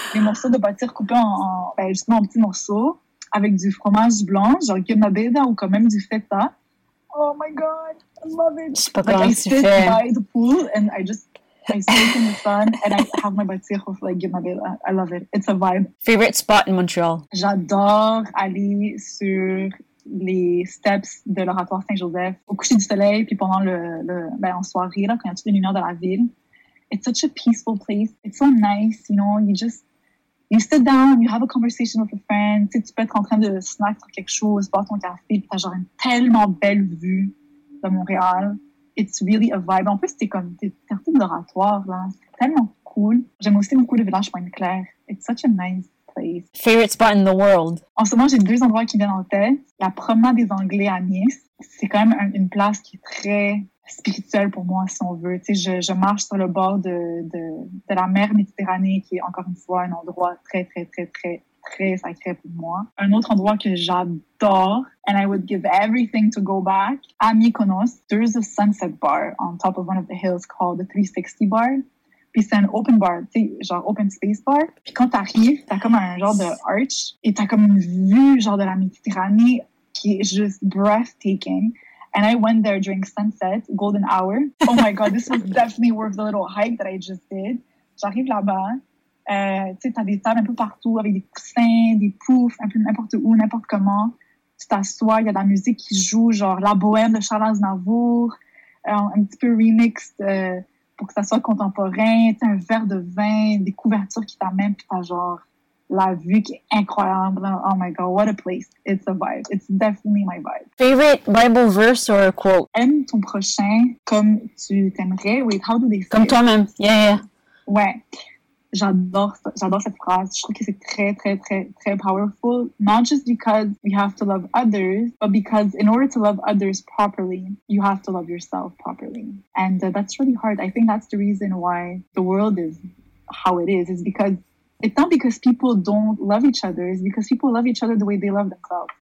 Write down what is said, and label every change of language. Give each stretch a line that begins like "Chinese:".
French: Les morceaux de bâtir coupés en petits morceaux avec du fromage blanc, genre guimna beda ou quand même du feta.
English: Oh my god, I love it.
French: Je sais pas comment tu fais.
English: I sit by the pool and I sit in the sun and I have my bâtir with like guimna beda. I love it. It's a vibe. Favorite spot in Montreal?
French: J'adore aller sur les steps de l'Oratoire Saint-Joseph au coucher du soleil puis pendant en soirée, là, quand il y a toutes les lumières de la ville.
English: It's such a peaceful place. It's so nice, you know. You sit down, you have a conversation with a friend.
French: Tu sais, tu peux être en train de snack sur quelque chose, boire ton café, puis t'as genre une tellement belle vue de Montréal.
English: It's really a vibe.
French: En plus, t'es comme, t'es un peu de l'oratoire, là. C'est tellement cool. J'aime aussi beaucoup le village Pointe-Claire.
English: It's such a nice place. Favorite spot in the world?
French: En ce moment, j'ai deux endroits qui me viennent en tête. La promenade des Anglais à Nice. C'est quand même une place qui est très spirituelle pour moi, si on veut. Tu sais, je marche sur le bord de la mer Méditerranée, qui est encore une fois un endroit très, très, très, très, très sacré pour moi. Un autre endroit que j'adore,
English: and I would give everything to go back,
French: à Mykonos,
English: there's a sunset bar on top of one of the hills called the 360 bar.
French: Puis c'est un open bar, tu sais, genre open space bar. Puis quand t'arrives, t'as comme un genre de arch et t'as comme une vue genre de la Méditerranée qui est juste breathtaking.
English: And I went there during sunset, golden hour. Oh my god, this was definitely worth the little hike that I just did.
French: J'arrive là-bas, tu sais, t'as des tables un peu partout avec des coussins, des poufs, un peu n'importe où, n'importe comment. Tu t'assois, il y a de la musique qui joue, genre La Bohème de Charles Aznavour, un petit peu remixed pour que ça soit contemporain. Tu as un verre de vin, des couvertures qui t'amènent, puis t'as genre la vue qui est incroyable.
English: Oh my god, what a place. It's a vibe. It's definitely my vibe. Favorite Bible verse or quote?
French: Aime ton prochain comme tu t'aimerais.
English: Wait, how do they say
French: comme
English: it?
French: Toi-même.
English: Yeah, yeah.
French: Ouais. J'adore cette phrase. Je trouve que c'est très, très, très, très powerful.
English: Not just because we have to love others, but because in order to love others properly, you have to love yourself properly. And that's really hard. I think that's the reason why the world is how it is. It's because it's not because people don't love each other. It's because people love each other the way they love themselves.